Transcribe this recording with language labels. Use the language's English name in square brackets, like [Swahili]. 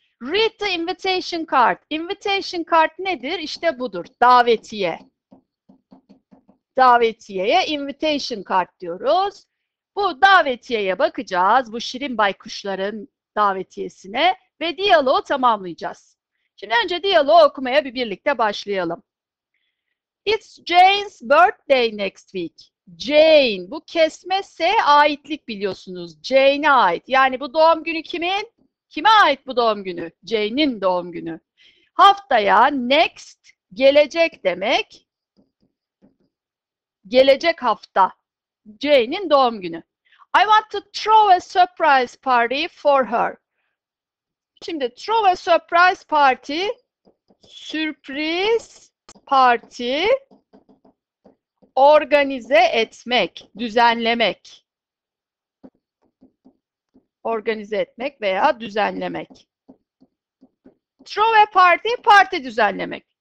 [English] Read the invitation card. Invitation card [Turkish] nedir? İşte budur. Davetiye. Invitation card diyoruz. Bu davetiyeye bakacağız. Bu şirin baykuşların davetiyesine ve diyaloğu tamamlayacağız. Şimdi önce diyaloğu okumaya bir birlikte başlayalım. [English] It's Jane's birthday next week. [Turkish] Jane, bu kesmezse aitlik biliyorsunuz. Jane'e ait. Yani bu doğum günü kimin? Kime ait bu doğum günü? Jane'in doğum günü. Haftaya next gelecek demek. Gelecek hafta. Jane'in doğum günü. [English] I want to throw a surprise party for her. [Turkish] Şimdi [English] throw a surprise party, [Turkish] sürpriz parti organize etmek, düzenlemek. Organize etmek veya düzenlemek. [English] Throw a party, [Turkish] parti düzenlemek.